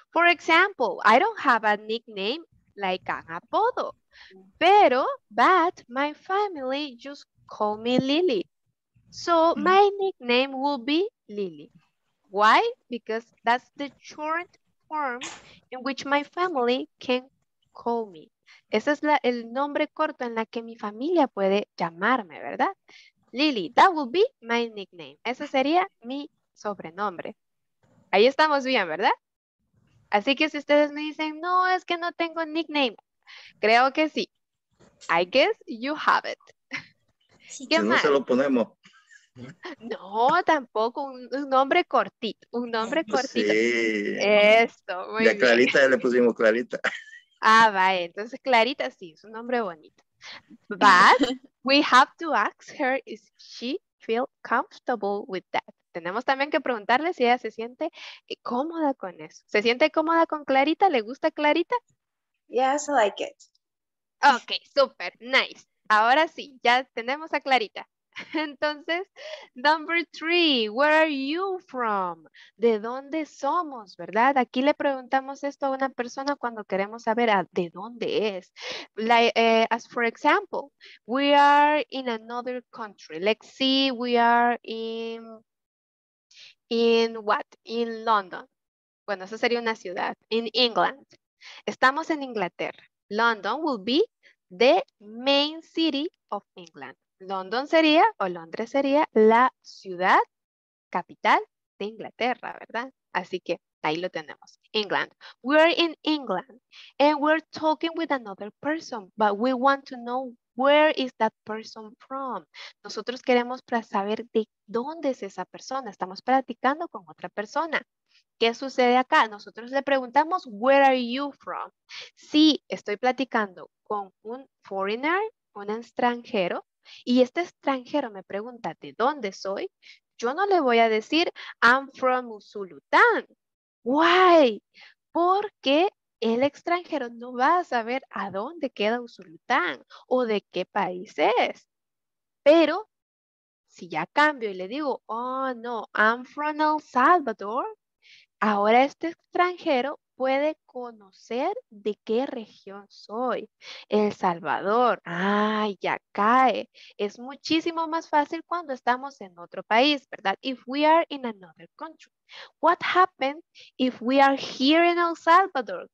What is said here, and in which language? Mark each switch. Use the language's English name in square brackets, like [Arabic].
[English] For example, I don't have a nickname like an apodo, but my family just call me Lily. So my nickname will be Lily. Why? Because that's the short form in which my family can call me. [Spanish] Ese es el nombre corto en la que mi familia puede llamarme, ¿verdad? [English] Lily, that will be my nickname. [Spanish] Ese sería mi sobrenombre. Ahí estamos bien, ¿verdad? Así que si ustedes me dicen, no, es que no tengo nickname. Creo que sí. [English] I guess you have it. [Spanish] Sí, ¿qué si más? No se lo ponemos. No, tampoco. Un nombre cortito. Un nombre cortito. Sí. Esto, muy bien. Ya Clarita, ya le pusimos Clarita. Ah, vale. Entonces Clarita sí, es un nombre bonito. [English] But we have to ask her if she feels comfortable with that. [Spanish] Tenemos también que preguntarle si ella se siente cómoda con eso. ¿Se siente cómoda con Clarita? ¿Le gusta Clarita? [English] Yes, I like it. Ok, super, nice. [Spanish] Ahora sí, ya tenemos a Clarita. [English] Entonces, number three, where are you from? [Spanish] ¿De dónde somos, verdad? Aquí le preguntamos esto a una persona cuando queremos saber de dónde es. [English] Like, as for example, we are in another country. Let's see, we are in London. [Spanish] Bueno, esa sería una ciudad. [English] In England. [Spanish] Estamos en Inglaterra. [English] London will be the main city of England. [Spanish] London sería, o Londres sería, la ciudad capital de Inglaterra, ¿verdad? Así que ahí lo tenemos. England. [English] We're in England and we're talking with another person, but we want to know where is that person from? [Spanish] Nosotros queremos para saber de dónde es esa persona. Estamos platicando con otra persona. ¿Qué sucede acá? Nosotros le preguntamos, [English] where are you from? [Spanish] Sí, estoy platicando con un foreigner, un extranjero, y este extranjero me pregunta, ¿de dónde soy? Yo no le voy a decir, [English] I'm from Usulután. Why? [Spanish] Porque el extranjero no va a saber a dónde queda Usulután o de qué país es. Pero si ya cambio y le digo, oh no, [English] I'm from El Salvador, [Spanish] ahora este extranjero puede conocer de qué región soy. El Salvador, ya cae. Es muchísimo más fácil cuando estamos en otro país, ¿verdad? [English] If we are in another country. What happened if we are here in El Salvador?